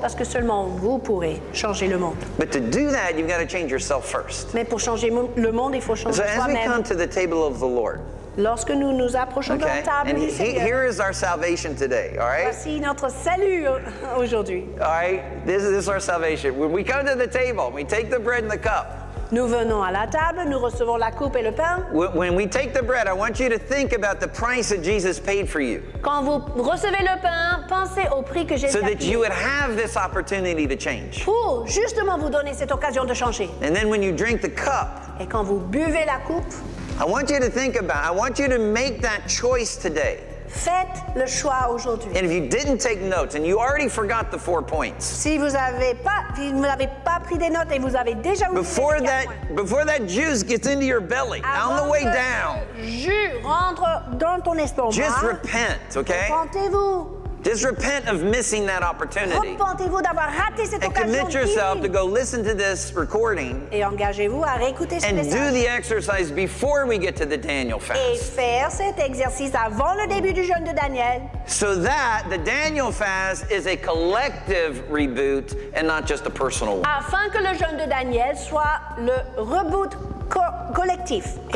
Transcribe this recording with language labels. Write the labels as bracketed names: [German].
[French] Parce que seulement vous pourrez changer le monde. [English] But to do that, you've got to change yourself first. [French] Mais pour changer le monde, il faut changer soi-même. [English] So as we come to the table of the Lord. [French] Lorsque nous nous approchons [English] okay. [French] de la table [English] and [French] du Seigneur. [English] Here is our salvation today, all right? [French] Voici notre salut aujourd'hui. [English] All right? This is our salvation. When we come to the table, we take the bread and the cup. [French] Nous venons à la table, nous recevons la coupe et le pain. [English] When we take the bread, I want you to think about the price that Jesus paid for you. [French] Quand vous recevez le pain, pensez au prix que Jésus a payé. [English] So that you would have this opportunity to change. [French] Pour justement vous donner cette occasion de changer. [English] And then when you drink the cup. [French] Et quand vous buvez la coupe. [English] I want you to think about, I want you to make that choice today. [French] Faites le choix aujourd'hui. [English] And if you didn't take notes and you already forgot the 4 points. [French] Si vous avez pas, si vous n'avez pas pris des notes et vous avez déjà oublié. [English] Before that juice gets into your belly, [French] avant [English] on the way down. [French] Jus rentre dans ton estomac. [English] Just repent, okay? [French] Repentez-vous. [English] Just repent of missing that opportunity. [French] Repentez-vous d'avoir raté cette occasion. [English] And commit yourself to go listen to this recording. [French] Et engagez-vous à réécouter ce [English] and message. Do the exercise before we get to the Daniel fast. [French] Et faire cet exercice avant le début du jeûne de Daniel. [English] So that the Daniel fast is a collective reboot and not just a personal one. [French] Afin que le jeûne de Daniel soit le reboot collectif et